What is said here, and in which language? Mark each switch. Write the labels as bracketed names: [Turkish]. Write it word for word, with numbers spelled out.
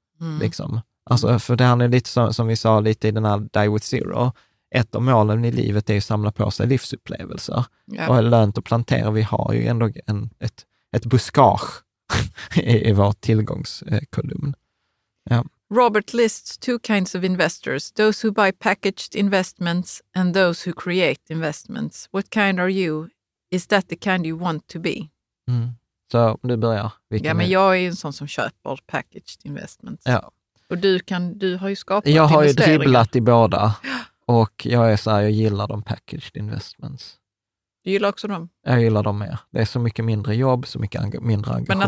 [Swedish] Mm. Liksom. Alltså, för det handlar lite som, som vi sa lite i den här Die with Zero. Ett av målen i livet är att samla på sig livsupplevelser. Ja. Och lönt att plantera. Vi har ju ändå en, ett, ett buskage i, i vår tillgångskolumn. Ja. [English] Robert lists two kinds of investors, those who buy packaged investments and those who create investments. What kind are you? Is that the kind you want to be? [Swedish] Mm. Så nu börjar vilken Ja, men är- jag är ju en sån som köper [English] packaged investments. [Swedish] Ja. Och du, kan, du har ju skapat Jag har ju investeringar. dribblat i båda och jag är så här, jag gillar de [English] packaged investments. [Swedish] Du gillar också dem? Jag gillar dem mer. Det är så mycket mindre jobb, så mycket enga- mindre engagemang.